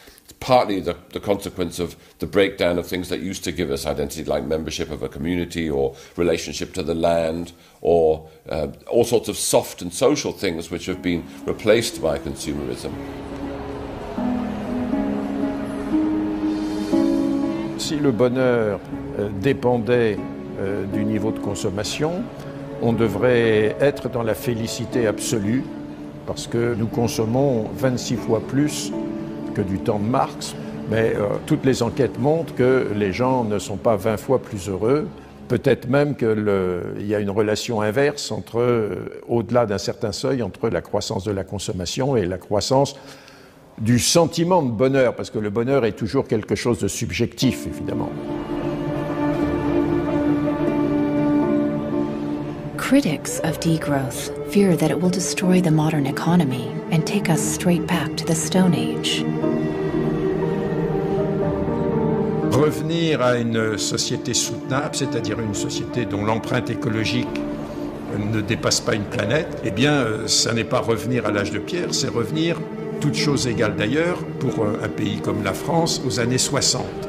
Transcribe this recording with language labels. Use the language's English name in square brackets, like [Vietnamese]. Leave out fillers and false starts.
[English] It's partly the consequence of the breakdown of things that used to give us identity, like membership of a community or relationship to the land or all sorts of soft and social things which have been replaced by consumerism. [French] Si le bonheur dépendait du niveau de consommation, on devrait être dans la félicité absolue parce que nous consommons 26 fois plus que du temps de Marx. Mais toutes les enquêtes montrent que les gens ne sont pas 20 fois plus heureux. Peut-être même qu'il y a une relation inverse entre, au-delà d'un certain seuil, entre la croissance de la consommation et la croissance du sentiment de bonheur, parce que le bonheur est toujours quelque chose de subjectif, évidemment. [English] Critics of degrowth fear that it will destroy the modern economy and take us straight back to the Stone Age. [French] Revenir à une société soutenable, c'est-à-dire une société dont l'empreinte écologique ne dépasse pas une planète, eh bien, ça n'est pas revenir à l'âge de pierre, c'est revenir, toutes choses égales d'ailleurs, pour un pays comme la France, aux années 60.